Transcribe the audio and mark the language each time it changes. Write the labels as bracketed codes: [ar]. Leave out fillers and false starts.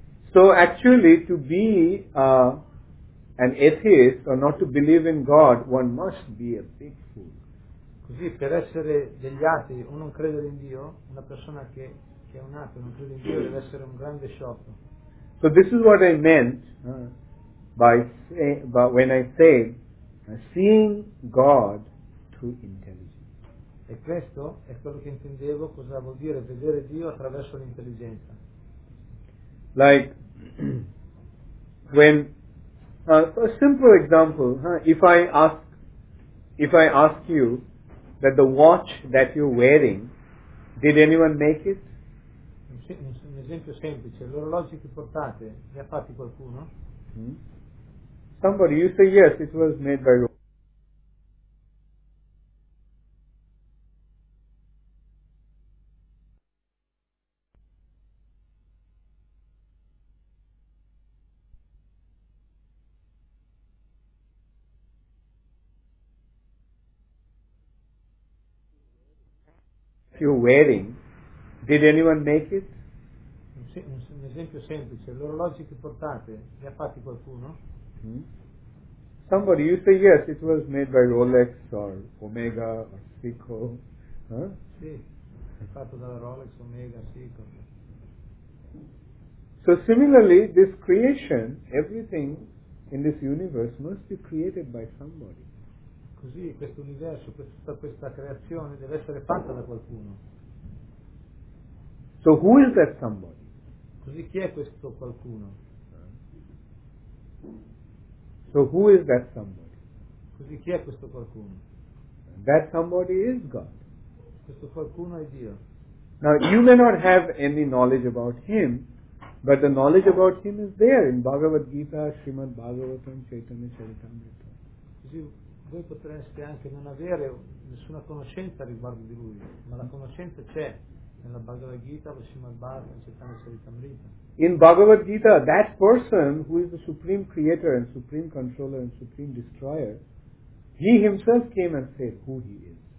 [en] So actually to be an atheist or not to believe in God, one must be a big fool. [it] Così per essere degli atei o non credere in Dio, una persona che è un ateo e non crede in Dio deve essere un grande sciocco. [en] So this is what I meant when I say seeing God through intelligence. [it] E questo è quello che intendevo, cosa vuol dire vedere Dio attraverso l'intelligenza. [en] Like, when, a simple example, if I ask you that the watch that you're wearing, did anyone make it? [it] Un esempio semplice, l'orologio che portate, li ha fatti qualcuno? [en] Somebody, you say yes, it was made by Rome. You're wearing, did anyone make it? [it] Un esempio semplice, l'orologio che portate, li ha fatti qualcuno? [en] Somebody, you say yes, it was made by Rolex or Omega or Seiko. [it] Sì, è fatto dalla Rolex, Omega, Seiko. [en] So similarly, this creation, everything in this universe must be created by somebody. [it] Così questo universo, tutta questa creazione deve essere fatta da qualcuno. [en] So who is that somebody? [it] Così chi è questo qualcuno? [en] So who is that somebody? [it] Così chi è questo qualcuno? [en] That somebody is God. [it] Questo qualcuno è Dio. [en] Now you may not have any knowledge about him, but the knowledge about him is there in Bhagavad Gita, Srimad Bhagavatam, Chaitanya Charitamrita. [it] Voi potreste anche non avere nessuna conoscenza riguardo di lui, ma la conoscenza c'è nella Bhagavad Gita, la Srimad Bhagavatam, Chaitanya Charitamrita. [en] In Bhagavad Gita, that person who is the supreme creator and supreme controller and supreme destroyer, he himself came and said who he is.